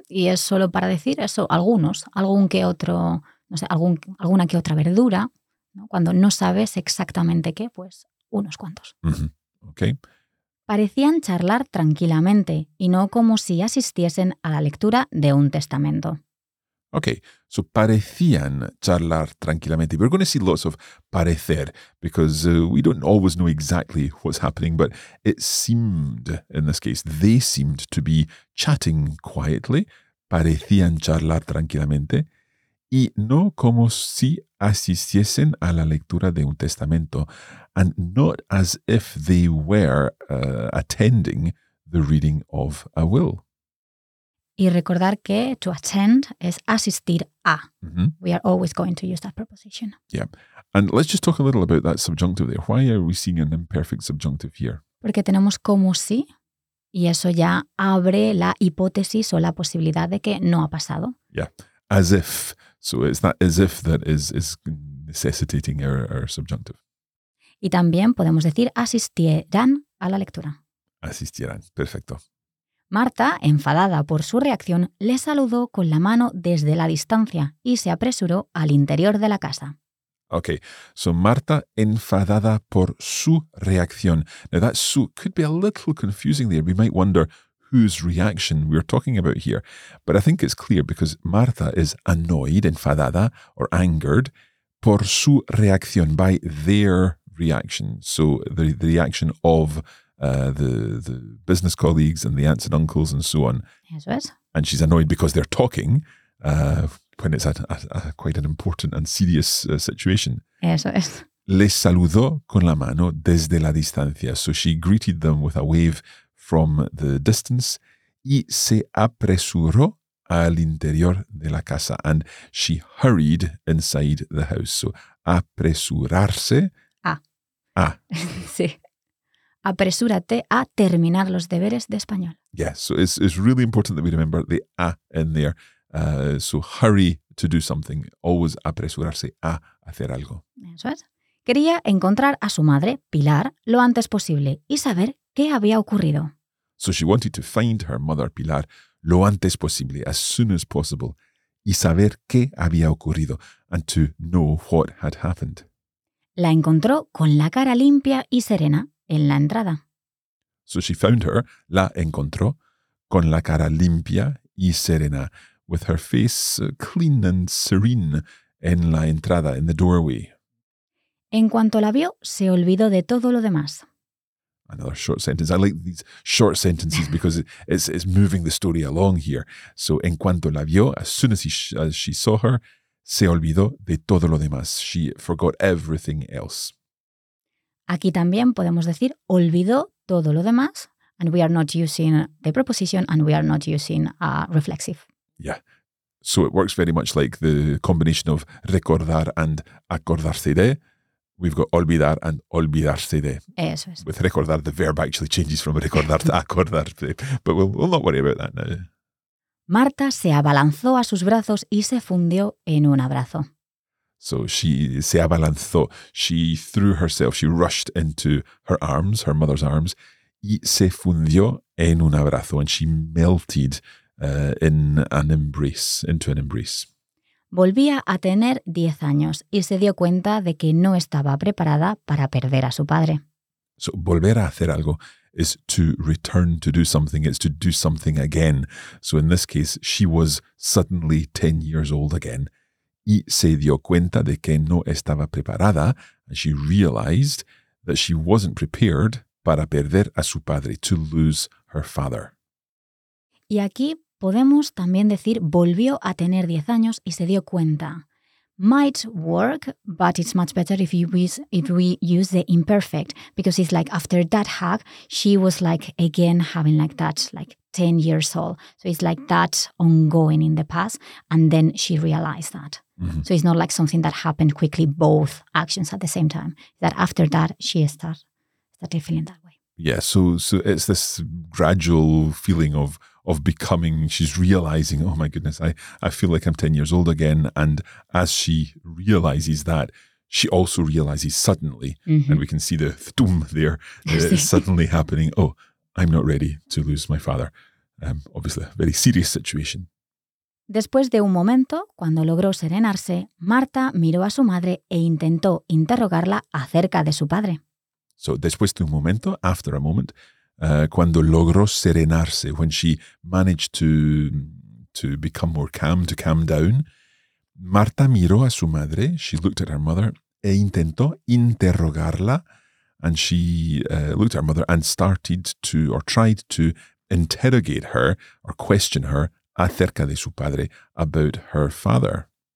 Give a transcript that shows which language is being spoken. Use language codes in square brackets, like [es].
[es] Y es solo para decir eso, algunos, algún que otro, no sé, alguna que otra verdura, ¿no? Cuando no sabes exactamente qué, pues unos cuantos. Mm-hmm. Okay. Parecían charlar tranquilamente y no como si asistiesen a la lectura de un testamento. Okay, so parecían charlar tranquilamente. [en] We're going to see lots of parecer because we don't always know exactly what's happening, but it seemed, in this case, they seemed to be chatting quietly. [es] Parecían charlar tranquilamente. Y no como si asistiesen a la lectura de un testamento. [en] And not as if they were attending the reading of a will. [es] Y recordar que [en] to attend [es] es asistir a. Mm-hmm. [en] We are always going to use that preposition. Yeah. And let's just talk a little about that subjunctive there. Why are we seeing an imperfect subjunctive here? [es] Porque tenemos como si, y eso ya abre la hipótesis o la posibilidad de que no ha pasado. [en] Yeah. As if. So it's that as if that is necessitating our subjunctive. [es] Y también podemos decir asistirán a la lectura. Asistirán. Perfecto. Marta, enfadada por su reacción, le saludó con la mano desde la distancia y se apresuró al interior de la casa. Okay, so Marta, enfadada por su reacción. [en] Now that su could be a little confusing there. We might wonder whose reaction we're talking about here. But I think it's clear because Marta is annoyed, enfadada, or angered, [es] por su reacción, [en] by their reaction. So the reaction of the business colleagues and the aunts and uncles and so on. [es] Eso es. [en] And she's annoyed because they're talking when it's a quite an important and serious situation. [es] Eso es. Les saludó con la mano desde la distancia. [en] So she greeted them with a wave from the distance [es] y se apresuró al interior de la casa. [en] And she hurried inside the house. So apresurarse. [es] Ah. Sí. Apresúrate a terminar los deberes de español. [en] Yeah, so it's really important that we remember the a in there. So hurry to do something. Always [es] apresurarse a hacer algo. Eso es. Quería encontrar a su madre, Pilar, lo antes posible y saber qué había ocurrido. [en] So she wanted to find her mother, Pilar, [es] lo antes posible, [en] as soon as possible, [es] y saber qué había ocurrido, [en] and to know what had happened. [es] La encontró con la cara limpia y serena en la entrada. [en] So she found her, [es] la encontró, con la cara limpia y serena, [en] with her face clean and serene [es] en la entrada, [en] in the doorway. [es] En cuanto la vio, se olvidó de todo lo demás. [en] Another short sentence. I like these short sentences because it's moving the story along here. So [es] en cuanto la vio, [en] as soon as she saw her, [es] se olvidó de todo lo demás. [en] She forgot everything else. [es] Aquí también podemos decir olvidó todo lo demás. [en] And we are not using the preposition and we are not using a reflexive. Yeah. So it works very much like the combination of recordar and acordarse de. We've got olvidar and olvidarse de. Eso es. With recordar, the verb actually changes from recordar to acordarse. But we'll not worry about that now. [es] Marta se abalanzó a sus brazos y se fundió en un abrazo. [en] So she [es] se abalanzó. [en] She threw herself. She rushed into her arms, her mother's arms, [es] y se fundió en un abrazo. [en] And she melted in an embrace, into an embrace. [es] Volvía a tener 10 años y se dio cuenta de que no estaba preparada para perder a su padre. [en] So [es] volver a hacer algo [en] is to return to do something. It's to do something again. So in this case, she was suddenly 10 years old again. [es] Y se dio cuenta de que no estaba preparada. [en] And she realized that she wasn't prepared [es] para perder a su padre, [en] to lose her father. [es] Y aquí podemos también decir volvió a tener 10 años y se dio cuenta. [en] Might work, but it's much better if we use the imperfect, because it's like after that hug, she was like again having like that, like 10 years old. So it's like that ongoing in the past, and then she realized that. Mm-hmm. So it's not like something that happened quickly, both actions at the same time. That after that, she started feeling that way. Yeah, so it's this gradual feeling of becoming, she's realizing, oh my goodness, I feel like I'm 10 years old again. And as she realizes that, she also realizes suddenly, mm-hmm. and we can see the thtum there, suddenly happening, oh, I'm not ready to lose my father. Obviously, a very serious situation. [es] Después de un momento, cuando logró serenarse, Marta miró a su madre e intentó interrogarla acerca de su padre. [en] So, [es] después de un momento, [en] after a moment, [es] cuando logró serenarse, [en] when she managed to become more calm, to calm down, [es] Marta miró a su madre, [en] she looked at her mother, [es] e intentó interrogarla, [en] and she looked at her mother and started to, or tried to, interrogate her, or question her, [es] acerca de su padre, [en] about her father.